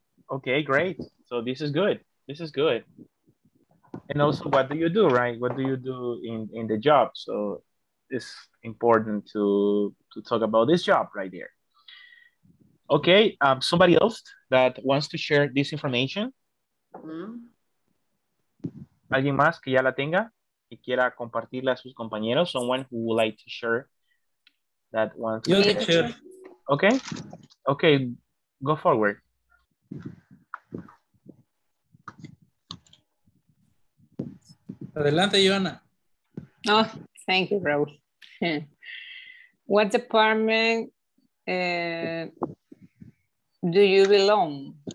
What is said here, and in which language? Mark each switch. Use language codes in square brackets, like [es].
[en] Okay, great. So this is good. This is good. And also, what do you do, right? What do you do in the job? So it's important to talk about this job right there. Okay, somebody else that wants to share this information? Mm-hmm. [es] ¿Alguien más que ya la tenga y quiera compartirla a sus compañeros? [en] Someone who would like to share that one? You can share. Okay. Okay, go forward. [es] Adelante, Joana. [en] Oh, thank you, Raul. What department do you belong?